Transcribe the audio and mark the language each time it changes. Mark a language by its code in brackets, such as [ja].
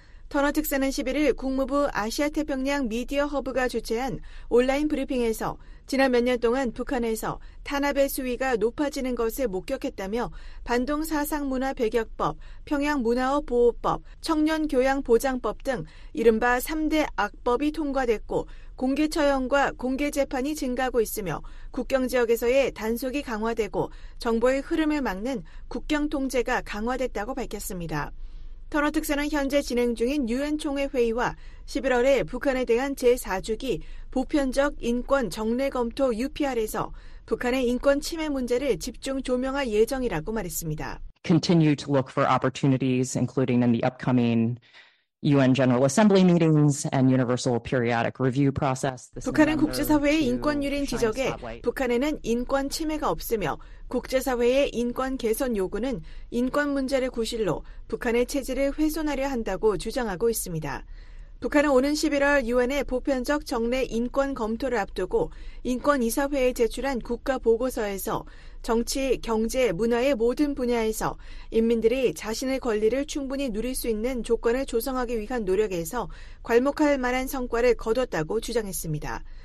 [ko] 터너 특사는 11일 국무부 아시아태평양 미디어 허브가 주최한 온라인 브리핑에서 지난 몇 년 동안 북한에서 탄압의 수위가 높아지는 것을 목격했다며 반동 사상 문화 배격법, 평양 문화업 보호법, 청년 교양 보장법 등 이른바 3대 악법이 통과됐고 공개 처형과 공개 재판이 증가하고 있으며 국경 지역에서의 단속이 강화되고 정보의 흐름을 막는 국경 통제가 강화됐다고 밝혔습니다. 터너 특사는 현재 진행 중인 유엔 총회 회의와 11월에 북한에 대한 제4주기 보편적 인권 정례 검토 UPR에서 북한의 인권 침해 문제를 집중 조명할 예정이라고 말했습니다. [en] Continue to look for opportunities including in the upcoming UN General Assembly meetings and Universal Periodic Review process. [ko] 북한은 국제사회의 인권 유린 지적에 북한에는 인권 침해가 없으며 국제사회의 인권 개선 요구는 인권 문제를 구실로 북한의 체제를 훼손하려 한다고 주장하고 있습니다. 북한은 오는 11월 유엔의 보편적 정례 인권 검토를 앞두고 인권이사회에 제출한 국가보고서에서 정치, 경제, 문화의 모든 분야에서 인민들이 자신의 권리를 충분히 누릴 수 있는 조건을 조성하기 위한 노력에서 괄목할 만한 성과를 거뒀다고 주장했습니다.